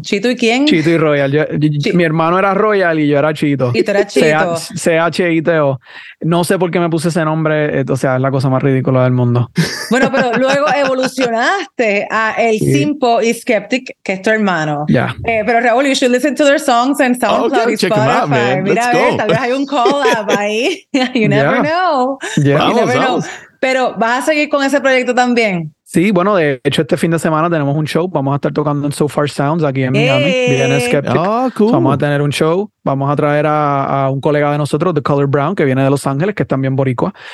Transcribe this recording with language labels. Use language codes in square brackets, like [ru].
[es] ¿Chito y quién? Chito y Royal. Mi hermano era Royal y yo era Chito. Y tú eras Chito. C-H-I-T-O. No sé por qué me puse ese nombre, o sea, es la cosa más ridícula del mundo. Bueno, pero luego evolucionaste a El Simpo y Skeptic, que es tu hermano. [en] Yeah. Pero Raúl, you should listen to their songs and SoundCloud y Spotify. [es] Out, mira, a ver, tal vez hay un collab ahí. [en] You never know. Yeah. You never know. [es] Pero vas a seguir con ese proyecto también. Sí, bueno, de hecho este fin de semana tenemos un show. Vamos a estar tocando en So Far Sounds aquí en Miami. Viene Skeptic. [en] Oh, cool. [es] Vamos a tener un show. Vamos a traer a un colega de nosotros, The Color Brown, que viene de Los Ángeles, que es también boricua.